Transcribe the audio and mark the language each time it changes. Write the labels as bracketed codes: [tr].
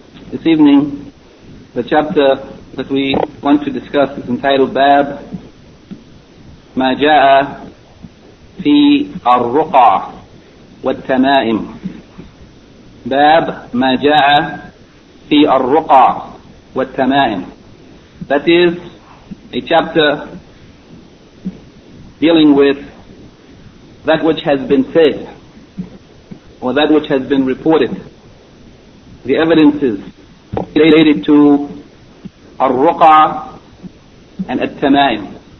[en] This evening, the chapter that we want to discuss is entitled Bab Ma Ja'a fi Ar-Ruqa والتمائم. [ar] باب ما جاء في الرقى والتمائم. [en] That is a chapter dealing with that which has been said, or that which has been reported, the evidences related to الرقى and التمائم.